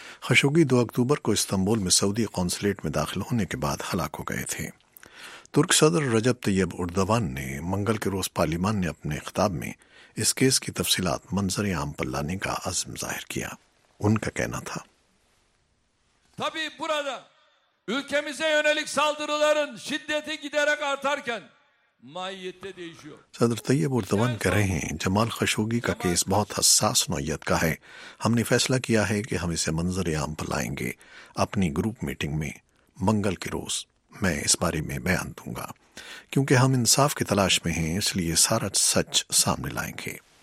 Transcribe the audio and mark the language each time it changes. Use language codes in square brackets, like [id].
[ur] Khashoggi 2 اکتوبر کو Istanbul میں سعودی consulate میں داخل ہونے کے بعد ہلاک ہو گئے تھے. ترک صدر رجب طیب اردوان نے منگل کے روز پارلیمان نے اپنے خطاب میں اس کیس کی تفصیلات منظر عام پر لانے کا عزم ظاہر کیا. ان کا کہنا تھا [tr] تبی برادا ülkemize yönelik saldırıların şiddeti giderek artarken mahiyette değişiyor. [ur] صدر طیب اردوان کہہ رہے ہیں جمال خشوگی کا کیس بہت حساس نوعیت کا ہے، ہم نے فیصلہ کیا ہے کہ ہم اسے منظر عام پر لائیں گے اپنی گروپ میٹنگ میں منگل کے روز، میں اس بارے میں بیان دوں گا کیونکہ ہم انصاف کی تلاش میں ہیں، اس لیے سارا سچ سامنے لائیں گے.